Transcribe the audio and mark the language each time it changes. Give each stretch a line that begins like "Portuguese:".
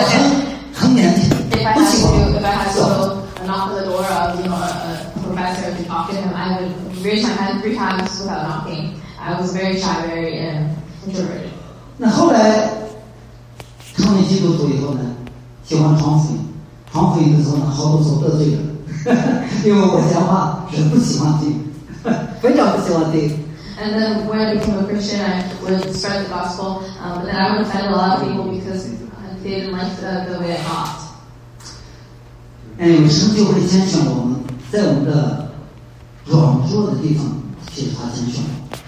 Chinese: 我很年轻，
English: if I had to knock on the door of, you know, a professor to talk to him, I would reach my hand 3 times without knocking. I was very shy, very introverted.
Chinese: 那后来，创立基督徒以后呢，喜欢闯祸，闯祸的时候呢，好多时候得罪人，因为我讲话是不喜欢听，非常不喜欢听。
English: And then when I became a Christian, I would spread the gospel, but then I would offend a lot of people because they didn't like the way I thought.
Chinese: And 有神就会拣选我们，在我们的软弱的地方，其实他拣选我们。